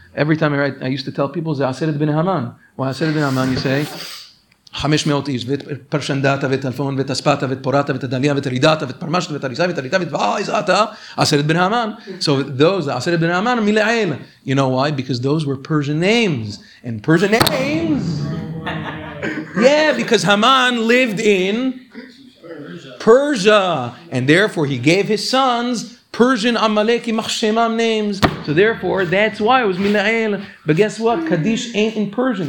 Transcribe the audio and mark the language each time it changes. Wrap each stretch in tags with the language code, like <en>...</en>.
<en>Every time I used to tell people,</en> <he>זה עשרת בני המן.</he> <en>Well,</en> <he>עשרת בני המן,</he> <en>you say,</en> <he>500 איש, ואת פרשנדאטה, ואת אלפון, ואת אספטה, ואת פורטה, ואת הדליה, ואת הרידאטה, ואת פרמשת, ואת הריסה, ואת הריטה, ואת איזאטה, עשרת בני המן.</he> <en>So those, עשרת בני המן, מלעיל. You know why? Because those were Persian names. And Persian names? Yeah, because Haman lived in Persia. And therefore he gave his sons Persian Amaleki Machshemam names. So therefore, that's why it was Mila'el. But guess what? Kaddish ain't in Persian.</en>